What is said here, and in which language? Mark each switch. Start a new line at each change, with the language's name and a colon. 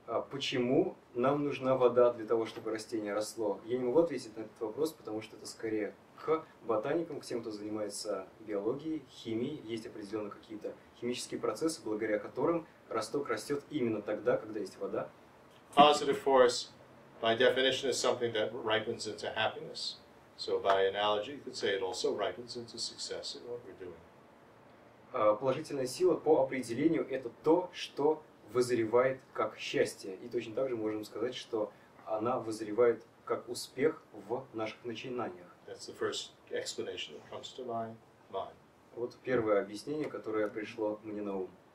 Russian: Почему нам нужна вода для того, чтобы растение росло? Я не могу ответить на этот вопрос, потому что это скорее к ботаникам, к тем, кто занимается биологией, химией. Есть определенно какие-то химические процессы, благодаря которым росток растет именно тогда, когда есть вода.
English: Positive force, by definition, is something that ripens into happiness. So, by analogy, you could say it also ripens into success in what we're doing.
Russian: Положительная сила, по определению, это то, что вызревает как счастье. И точно так же можем сказать, что она вызревает как успех в наших начинаниях.
English: That's the first explanation that comes to my mind.
Russian: Вот первое объяснение, которое пришло мне на ум.